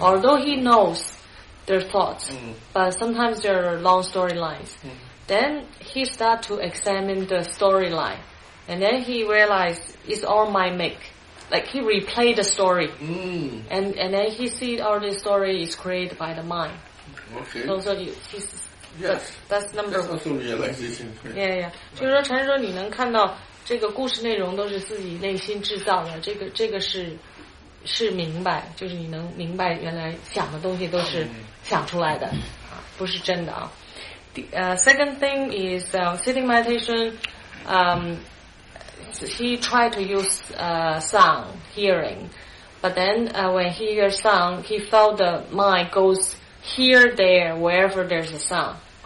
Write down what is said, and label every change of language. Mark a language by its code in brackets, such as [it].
[en] Although he knows their thoughts, but sometimes there are long storylines. Mm. Then he start to examine the storyline. And then he realized it's all mind make. Like he replayed the story. Mm. And then he see all this story is created by the mind. Okay. So he's... Yes, that's number one. Yeah, yeah. [zh] 就是说，禅师说你能看到这个故事内容都是自己内心制造的。这个是明白，就是你能明白原来想的东西都是想出来的，不是真的啊。 [en] Second thing is sitting meditation. He tried to use sound hearing, but then when he hears sound, he felt the mind goes here, there, wherever there's a sound.